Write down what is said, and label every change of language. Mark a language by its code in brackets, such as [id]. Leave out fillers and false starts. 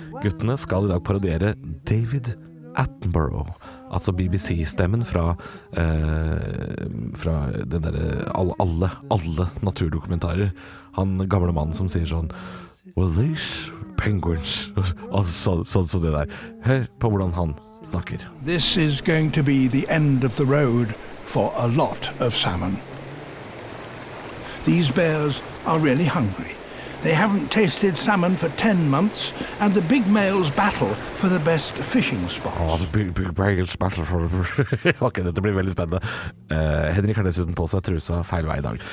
[no] Guttene skal i dag parodere David Attenborough, altså BBC-stemmen fra fra den der alle naturdokumentarer. Han gamle mannen som sier sånn, [en] well, these penguins, [no] altså så det der. Hør på hvordan han snakker. [en] This is going to be the end of the road for a lot of salmon. These bears are really hungry. They haven't tasted salmon for 10 months, and the big males battle for the best fishing spots. Oh, the big males battle for... [no] ok, dette blir veldig spennende. Henrik har dessuten på seg trusa feil vei i dag.